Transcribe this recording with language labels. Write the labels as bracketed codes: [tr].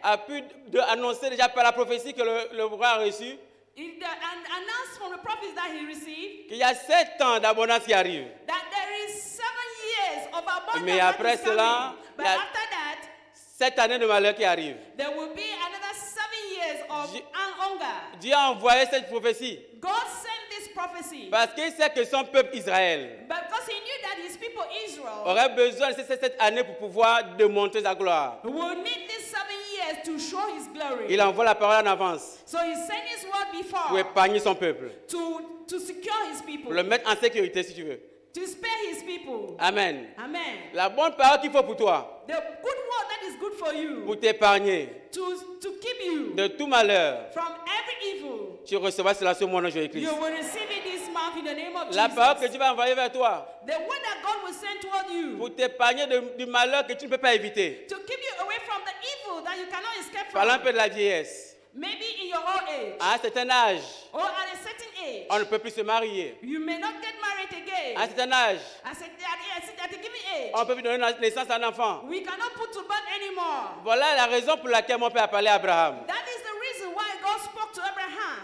[fr] A pu annoncer déjà par la prophétie que le roi a reçu. [en] And announced from the prophets that he received. [fr] Qu'il y a 7 ans d'abondance qui arrive. [en] That there is 7 years [fr] Mais après cela, cette année de malheur qui arrive, [en] there will be another 7 years of hunger. [fr] Dieu a envoyé cette prophétie. [en] God sent this prophecy. [fr] Parce qu'il sait que son peuple Israël, [en] but because he knew that his people Israel, [fr] aurait besoin de cette année pour pouvoir démontrer sa gloire. [en] Will need this 7 years to show his glory. [fr] Il envoie la parole en avance. [en] So he sent his word before. [fr] Pour épargner son peuple. [en] To secure his people. [fr] Pour le mettre en sécurité si tu veux. [en] To spare his people. [fr] Amen. [en] Amen. [fr] La bonne parole qu'il faut pour toi. [en] The good word that is good for you. [fr] Pour t'épargner. [en] To keep you. [fr] De tout malheur. [en] From every evil. [fr] Tu recevras cela ce mois de juin Christ. [en] You will receive it this month in the name of [fr] la [en] Jesus. [fr] La parole que Dieu va envoyer vers toi. [en] The word that God will send toward you. [fr] Pour t'épargner du malheur que tu ne peux pas éviter. [en] To keep you away from the evil that you cannot escape from. [fr] Parlons un peu de la vieillesse. [en] Maybe in your old age. [fr] À un certain âge. [en] Or at a certain age. [fr] On ne peut plus se marier. [en] You may not get married again. [fr] À un certain âge. [en] At a given age. [fr] On ne peut plus donner naissance à un enfant. [en] We cannot put to birth anymore. [fr] Voilà la raison pour laquelle mon père a parlé à Abraham. [en] That is the reason why God spoke to Abraham.